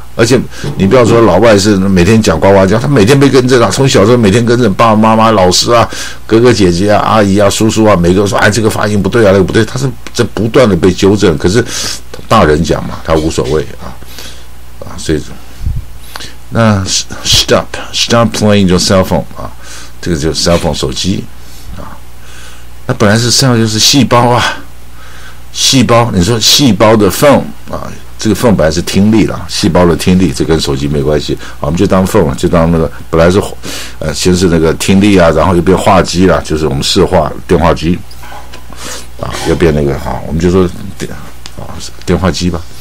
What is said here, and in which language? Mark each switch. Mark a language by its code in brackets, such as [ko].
[zh] 而且你不要说老外是每天讲呱呱叫，他每天被跟着啊，从小时候每天跟着爸爸妈妈、老师啊、哥哥姐姐啊、阿姨啊、叔叔啊，每个人说哎这个发音不对啊，那个不对，他是在不断的被纠正。可是大人讲嘛，他无所谓啊，所以。那 [en] stop playing your cell phone [zh] 啊，这个就是 cell phone 手机啊。那本来是 cell 就是细胞啊，细胞，你说细胞的 phone 啊，这个 phone 本来是听力啦，细胞的听力，这跟手机没关系啊，我们就当 phone 了，就当那个本来是先是那个听力啊，然后又变话机啦，就是我们视话电话机啊，又变那个啊，我们就说电话机吧。